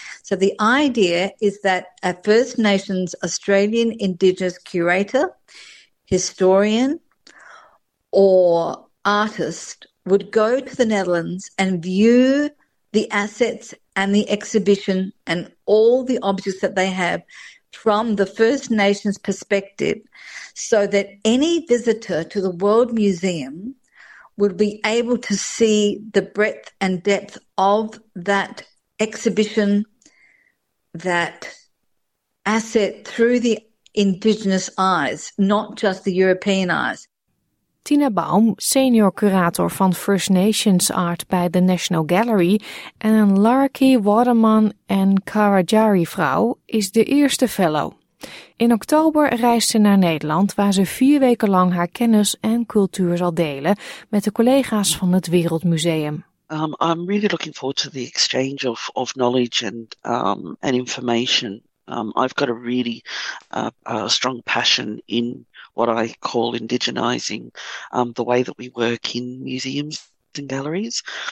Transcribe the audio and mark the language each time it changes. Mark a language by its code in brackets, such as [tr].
[en] So the idea is that a First Nations Australian Indigenous curator, historian, or artist would go to the Netherlands and view the assets and the exhibition and all the objects that they have from the First Nations perspective, so that any visitor to the World Museum would be able to see the breadth and depth of that exhibition, that asset through the Indigenous eyes, not just the European eyes. [nl] Tina Baum, senior curator van First Nations art bij de National Gallery, en een Larky Waterman en Karajari vrouw is de eerste fellow. In oktober reist ze naar Nederland, waar ze 4 weken lang haar kennis en cultuur zal delen met de collega's van het Wereldmuseum. [en] I'm really looking forward to the exchange of knowledge and information. I've got a really strong passion in what I call indigenizing the way that we work in museums and galleries.